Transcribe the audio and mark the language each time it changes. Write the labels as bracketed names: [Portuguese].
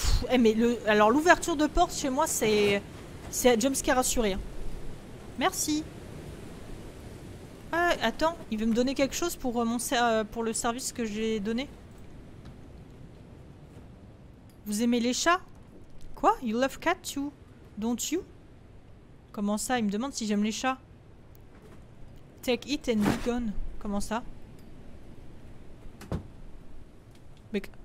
[French] Eh mais le, alors l'ouverture de porte chez moi c'est jumpscare assuré. Merci. Attends, il veut me donner quelque chose pour mon pour le service que j'ai donné. Vous aimez les chats? Quoi? [English] You love cats too, don't you? [French] Comment ça? Il me demande si j'aime les chats. [English] Take it and be gone. [French] Comment ça? Mais...